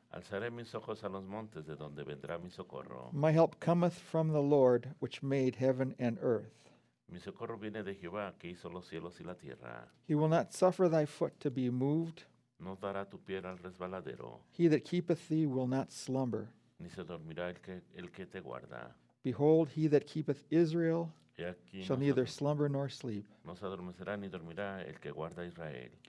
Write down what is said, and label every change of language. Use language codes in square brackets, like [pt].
[es] Alzaré mis ojos a los montes de donde vendrá mi socorro. [en] My help cometh from the Lord which made heaven and earth. [es] Mi socorro viene de Jehová que hizo los cielos y la tierra. [en] He will not suffer thy foot to be moved. [es] No dará tu pie al resbaladero. [en] He that keepeth thee will not slumber. [es] Ni se dormirá el que te guarda. [en] Behold, he that keepeth Israel shall neither slumber nor sleep. [es] No se adormecerá ni dormirá el que guarda Israel.